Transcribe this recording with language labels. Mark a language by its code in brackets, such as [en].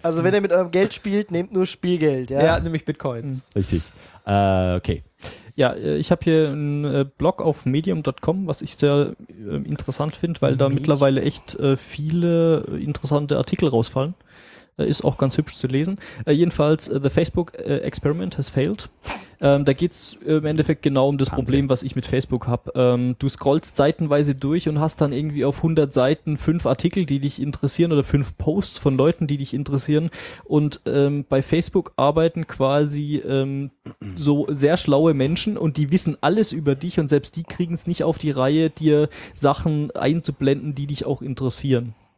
[de] Also wenn ihr mit eurem Geld spielt, nehmt nur Spielgeld, ja. Ja, nämlich Bitcoins. Richtig. Okay. Ja, ich habe hier einen Blog auf medium.com, was ich sehr interessant finde, weil da mittlerweile echt viele interessante Artikel rausfallen. Ist auch ganz hübsch zu lesen. Jedenfalls, [en] the Facebook Experiment has failed. [de] Da geht es im Endeffekt genau um das Problem, was ich mit Facebook habe. Du scrollst seitenweise durch und hast dann irgendwie auf 100 Seiten 5 Artikel, die dich interessieren oder 5 Posts von Leuten, die dich interessieren. Und bei Facebook arbeiten quasi so sehr schlaue Menschen und die wissen alles über dich und selbst die kriegen es nicht auf die Reihe, dir Sachen einzublenden, die dich auch interessieren.